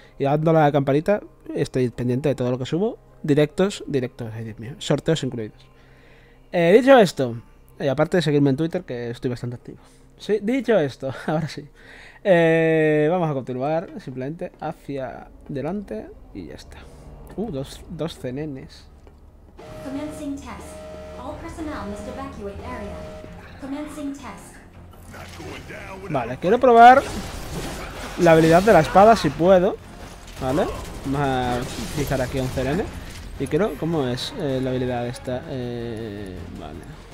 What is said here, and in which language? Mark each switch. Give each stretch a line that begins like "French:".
Spanish: Y dándole a la campanita, estoy pendiente de todo lo que subo. Directos, ay Dios mío, sorteos incluidos. Dicho esto, y aparte de seguirme en Twitter, que estoy bastante activo. Sí, dicho esto, ahora sí. Vamos a continuar simplemente hacia adelante y ya está. Dos cenenes.
English: Commencing test. All personnel must evacuate area. Commencing test.
Spanish: Vale, quiero probar la habilidad de la espada si puedo. Vale, vamos a fijar aquí a un CRN. Y quiero, ¿cómo es la habilidad esta? Vale.